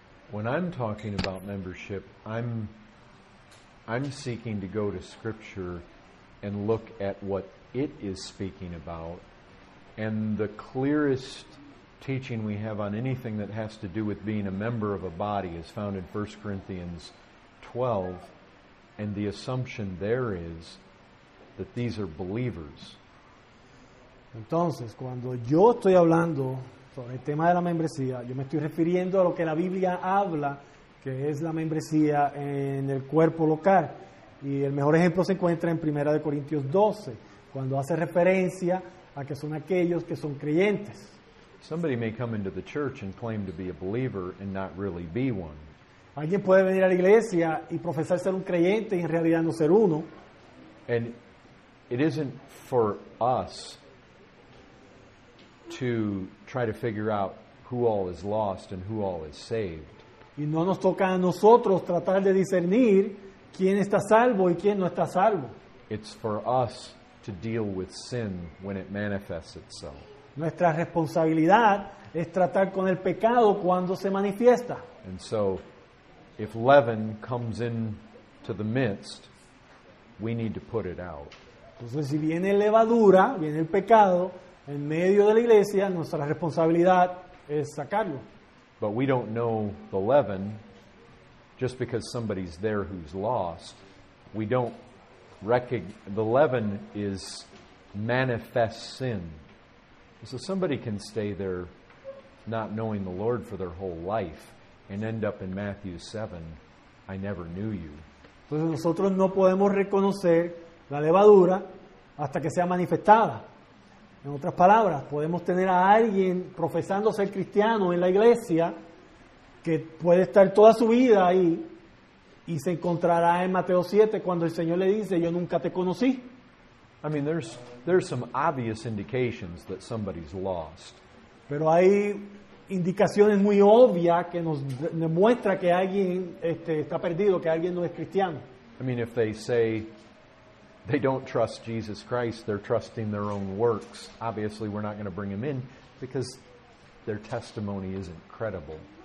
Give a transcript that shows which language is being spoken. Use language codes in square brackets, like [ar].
[en] When I'm talking about membership, I'm seeking to go to Scripture and look at what it is speaking about. And the clearest teaching we have on anything that has to do with being a member of a body is found in 1 Corinthians 12. And the assumption there is that these are believers. [es] Entonces, cuando yo estoy hablando sobre el tema de la membresía, yo me estoy refiriendo a lo que la Biblia habla, que es la membresía en el cuerpo local. Y el mejor ejemplo se encuentra en 1 Corintios 12, cuando hace referencia a que son aquellos que son creyentes. [en] Somebody may come into the church and claim to be a believer and not really be one. [es] Alguien puede venir a la iglesia y profesar ser un creyente y en realidad no ser uno. [en] And it isn't for us to try to figure out who all is lost and who all is saved. [es] Y no nos toca a nosotros tratar de discernir quién está salvo y quién no está salvo. [en] It's for us to deal with sin when it manifests itself. [es] Nuestra responsabilidad es tratar con el pecado cuando se manifiesta. [en] And so, if leaven comes in to the midst, we need to put it out. [es] Entonces, si viene levadura, viene el pecado, en medio de la iglesia, nuestra responsabilidad es sacarlo. [en] But we don't know the leaven just because somebody's there who's lost. We don't the leaven is manifest sin. So somebody can stay there not knowing the Lord for their whole life and end up in Matthew 7, I never knew you. [es] Entonces nosotros no podemos reconocer la levadura hasta que sea manifestada. En otras palabras, podemos tener a alguien profesando ser cristiano en la iglesia que puede estar toda su vida ahí y se encontrará en Mateo 7 cuando el Señor le dice, yo nunca te conocí. [en] I mean, there's some obvious indications that somebody's lost. [es] Pero hay indicaciones muy obvias que nos demuestra que alguien está perdido, que alguien no es cristiano. [en] I mean, if they say they don't trust Jesus Christ, they're trusting their own works. Obviously, we're not going to bring them in because their testimony isn't credible.